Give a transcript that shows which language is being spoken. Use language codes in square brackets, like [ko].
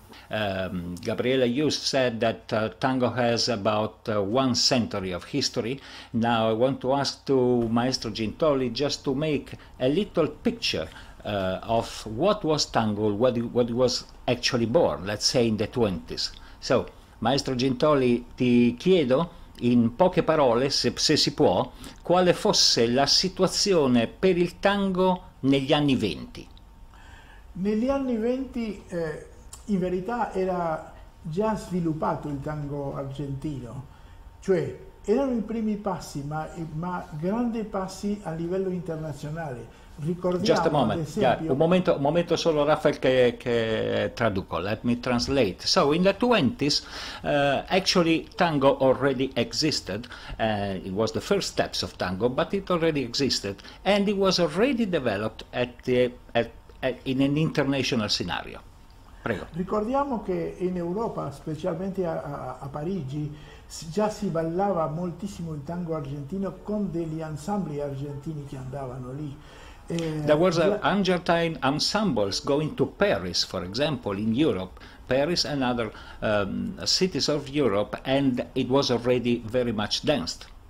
[en] Gabriela, you said that tango has about one century of history. Now I want to ask to Maestro Gintoli just to make a little picture of what was tango, what was actually born, let's say in the 20s. [it] So, Maestro Gintoli, ti chiedo in poche parole, se si può, quale fosse la situazione per il tango negli anni 20. Negli anni 20 in verità era già sviluppato il tango argentino, cioè erano i primi passi, ma grandi passi a livello internazionale. Ricordiamo, [en] just a moment, [it] ad esempio, yeah, un momento solo, Rafael, che traduco. [en] Let me translate. So in the 20s, actually tango already existed. It was the first steps of tango, but it already existed, and it was already developed in an international scenario. [it] Prego. Ricordiamo che in Europa, specialmente a Parigi, già si ballava moltissimo il tango argentino con degli ensembli argentini che andavano lì. [en] There was an Argentine ensembles going to Paris, for example, in Europe, Paris and other cities of Europe, and it was already very much danced.